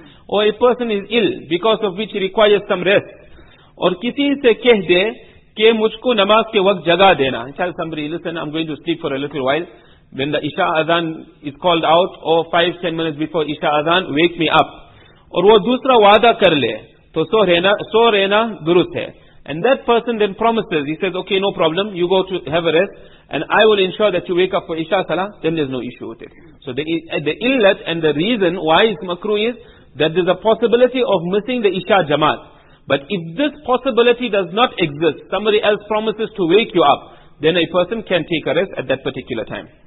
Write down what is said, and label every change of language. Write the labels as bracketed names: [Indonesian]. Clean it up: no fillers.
[English] Or a person is ill, because of which he requires some rest. Or [Urdu] kisi se keh de, ke mujhko namaz ke waqt jaga dena. [English] Tell somebody, listen, I'm going to sleep for a little while. When the Isha Adhan is called out, or 5-10 minutes before Isha Adhan, wake me up. [Urdu] اور وہ دوسرا وعدہ کر لے تو سو رہنا درست ہے. [English] And that person then promises, he says, okay, no problem, you go to have a rest, and I will ensure that you wake up for Isha Salah, then there's no issue with it. So the illat and the reason why it's makruh is that there's a possibility of missing the Isha Jamaat. But if this possibility does not exist, somebody else promises to wake you up, then a person can take a rest at that particular time.